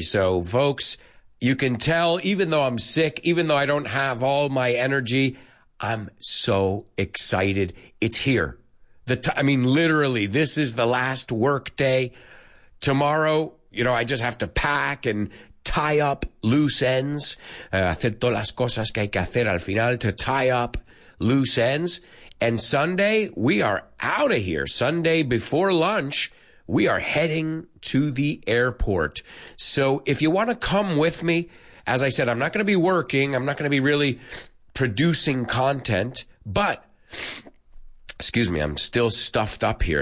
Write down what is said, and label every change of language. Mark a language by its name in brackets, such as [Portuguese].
[English] So folks, you can tell, even though I'm sick, even though I don't have all my energy, I'm so excited. It's here. Literally, this is the last work day. Tomorrow, you know, I just have to pack and tie up loose ends. [Spanish] Hacer todas las cosas que hay que hacer al final [English] to tie up loose ends. And Sunday, we are out of here. Sunday before lunch, we are heading to the airport. So if you want to come with me, as I said, I'm not going to be working. I'm not going to be really producing content, but excuse me, I'm still stuffed up here.